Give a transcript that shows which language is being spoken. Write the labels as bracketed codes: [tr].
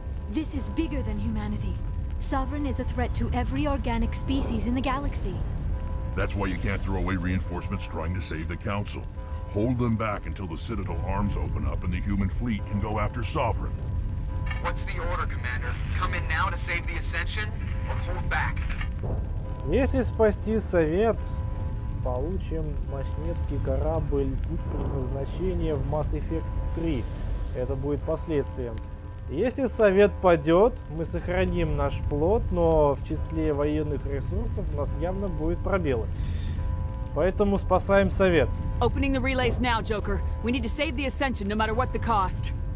[en] This is bigger than humanity. Sovereign is a threat to every organic species in the galaxy. That's why you can't throw away reinforcements trying to save the Council. Hold them back until the Citadel arms open up and the human fleet can go after Sovereign. What's the order, Commander? Come in now to save the Ascension, or hold back? [ru] Если спасти Совет, получим мощнецкий корабль и предназначение в Mass Effect 3. Это будет последствием. Если Совет падет, мы сохраним наш флот, но в числе военных ресурсов у нас явно будут пробелы. Поэтому спасаем Совет. [en] Opening the relays now, Joker. We need to save the Ascension, no matter what the cost.